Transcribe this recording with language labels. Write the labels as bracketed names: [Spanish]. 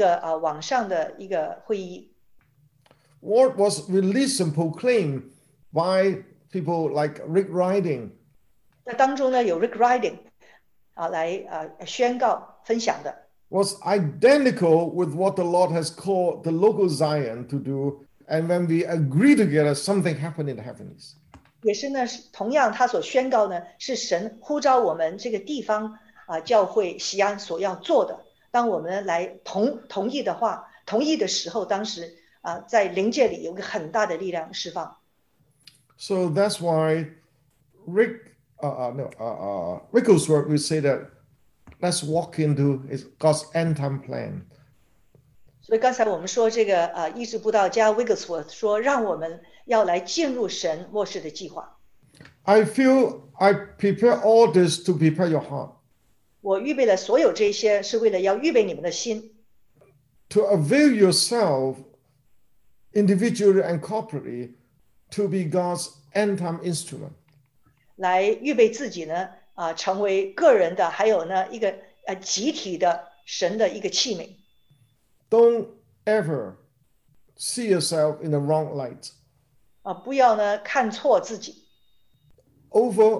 [Chinese] 那个最近的中国和以色列呢，他们有一个网上的一个会议。 [English] What was released and proclaimed by people like Rick Riding? [Chinese] 那当中呢有 Rick Riding 来宣告分享的。 [English] Was identical with what the Lord has called the local Zion to do, and when we agree together, something happened in the heavens. [Chinese] 也是呢，同样他所宣告呢，是神呼召我们这个地方教会锡安所要做的。当我们来同意的话，同意的时候，当时在灵界里有个很大的力量释放。 [English] So that's why, Wigglesworth would say that. Let's walk into God's end time plan. [Chinese] 所以刚才我们说这个医治布道家 Wigglesworth 说让我们要来进入神末世的计划。 [English] I feel I prepare all this to prepare your heart. [Chinese] 我预备了所有这些是为了要预备你们的心。 [English] To avail yourself individually and corporately to be God's end time instrument. [Chinese] 来预备自己呢，成为个人的，还有呢一个。 [English] Don't ever see yourself in the wrong light. [Chinese] 不要呢看错自己。 [English] Over